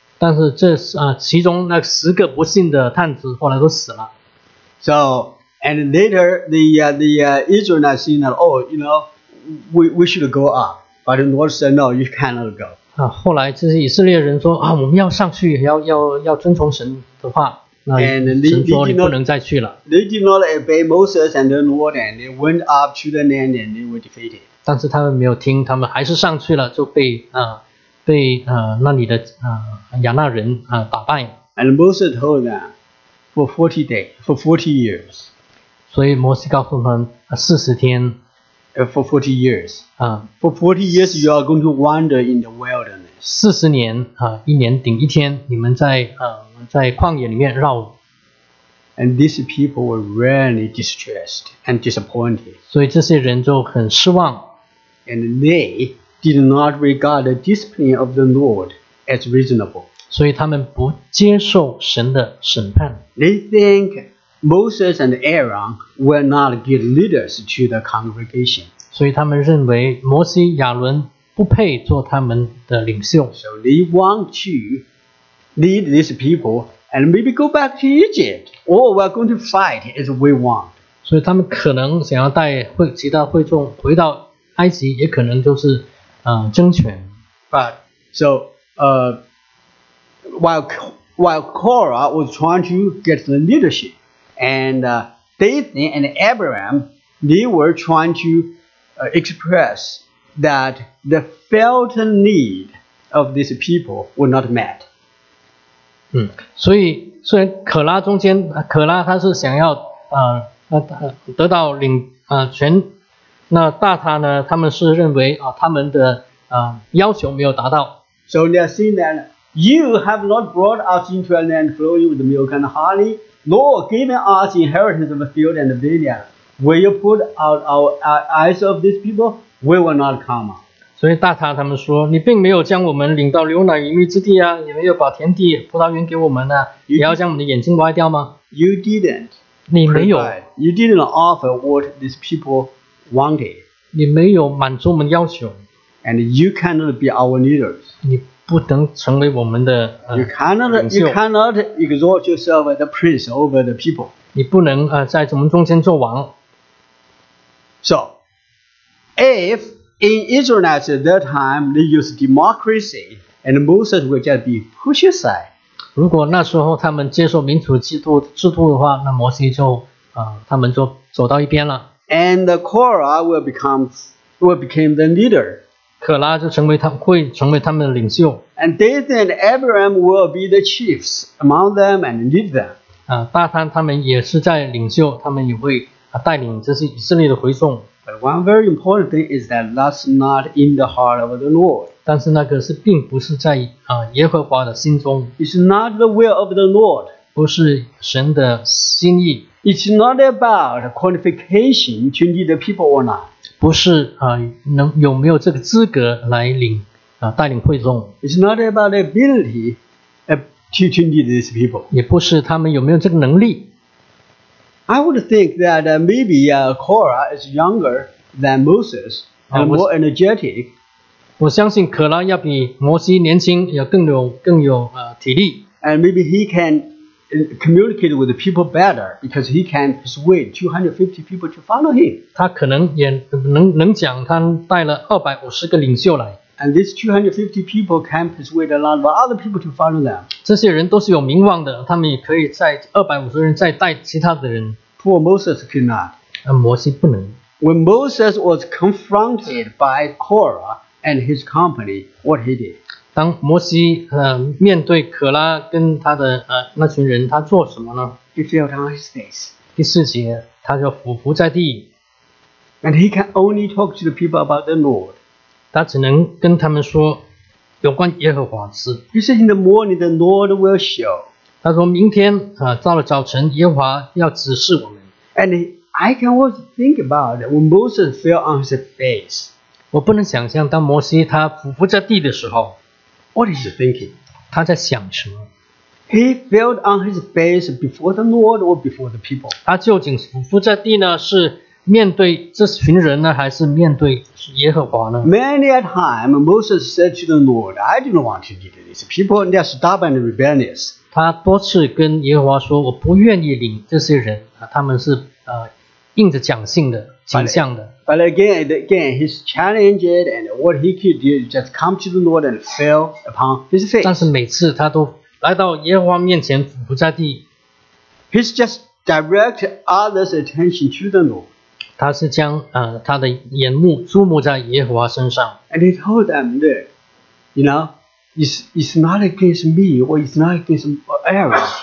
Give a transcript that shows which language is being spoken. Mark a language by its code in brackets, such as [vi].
[zh] 但是这其中那十个不幸的探子后来都死了。 [en] So, and later the Israelites said, oh, you know, we should go up. But the Lord said, no, you cannot go. [zh] 后来这些以色列人说啊，我们要上去，要遵从神的话。那神说你不能再去了。 [en] They did not obey Moses and the Lord, and they went up to the land, and they were defeated. [zh] 但是他们没有听，他们还是上去了，就被那里的亚纳人打败。 [en] And Moses told them for 40 years. [zh] 所以摩西告诉他们四十天。 [en] For 40 years. For 40 years, you are going to wander in the wilderness. [zh] 40年, 一年顶一天, 你们在, 在旷野里面绕。 [en] And these people were really distressed and disappointed. [zh] 所以这些人就很失望。 [en] And they did not regard the discipline of the Lord as reasonable. [zh] 所以他们不接受神的审判。 [en] They think Moses and Aaron were not good leaders to the congregation. [zh] 所以他们认为摩西、亚伦不配做他们的领袖。 [en] So they want to lead these people and maybe go back to Egypt, or we're going to fight as we want. [zh] 所以他们可能想要带会其他会众回到埃及，也可能就是争权。 [en] But so while Korah was trying to get the leadership. And Dathan and Abiram, they were trying to express that the felt need of these people were not met. [zh] 所以虽然可拉中间，可拉他是想要得到领权，那大他呢，他们是认为他们的要求没有达到。 [en] So they are saying that you have not brought us into a land flowing with milk and honey. Lord, given us inheritance of the field and the vineyard, will you put out our eyes of these people? We will not come. [zh] 所以大塔他们说，你并没有将我们领到牛奶盈溢之地啊，也没有把田地葡萄园给我们啊，也要将我们的眼睛挖掉吗？ [en] You didn't. [zh] 你没有。 [en] You didn't offer what these people wanted. [zh] 你没有满足我们要求。 [en] And you cannot be our leaders. [zh] 你不能成为我们的 [en] You cannot exalt yourself as a prince over the people. [zh] 你不能在我们中间做王。 [en] So, if in Israel at that time they use democracy and Moses will just be pushed aside. [zh] 如果那时候他们接受民主制度的话，那摩西就他们就走到一边了。 [en] And Korah will become the leader. [zh] 可拉就成为他会成为他们的领袖。 [en] And Dathan and Abiram will be the chiefs among them and lead them. [zh] 大贪他们也是在领袖，他们也会带领这些以色列的回众。 [en] But one very important thing is that that's not in the heart of the Lord. [zh] 但是那个是并不是在耶和华的心中。 [en] It's not the will of the Lord. [zh] 不是神的心意。 [en] It's not about qualification to lead the people or not. [zh] 不是能有没有这个资格来领带领会众。 [en] It's not about the ability to lead these people. [zh] 也不是他们有没有这个能力。 [en] I would think that maybe Korah is younger than Moses and more energetic. [zh] 我相信可拉要比摩西年轻，要更有体力。 [en] And maybe he can communicate with the people better because he can persuade 250 people to follow him. [zh] 他可能也能讲，他带了250个领袖来。 [en] And these 250 people can persuade a lot of other people to follow them. [zh] 这些人都是有名望的，他们也可以在250人再带其他的人。 [en] Poor Moses could not. [zh] 摩西不能。 [en] When Moses was confronted by Korah and his company, what he did? [zh] 当摩西面对可拉跟他的那群人，他做什么呢 [en] ？He fell on his face. [zh] 第四节，他就伏在地。 [en] And he can only talk to the people about the Lord. [zh] 他只能跟他们说有关耶和华的事。 [en] He said in the morning the Lord will show. [zh] 他说明天到了早晨，耶和华要指示我们。 [en] And I can always think about when Moses fell on his face. [zh] 我不能想象当摩西他伏在地的时候。 [en] What is he thinking? [zh] 他在想什么？ [en] He fell on his face before the Lord or before the people? [zh] 他究竟伏在地呢？是面对这群人呢？还是面对耶和华呢？ [en] Many a time Moses said to the Lord, I do not want to lead these people. They are stubborn and rebellious. [zh] 他多次跟耶和华说，我不愿意领这些人，他们是印着讲信的, [en] but again and again, he's challenged, and what he could do is just come to the Lord and fell upon his face. [zh] 但是每次他都来到耶和华面前俯伏在地, [en] he's just direct others' attention to the Lord. [zh] 他是将, 他的眼目注目在耶和华身上, [en] and he told them that, you know, it's not against me or it's not against Aaron.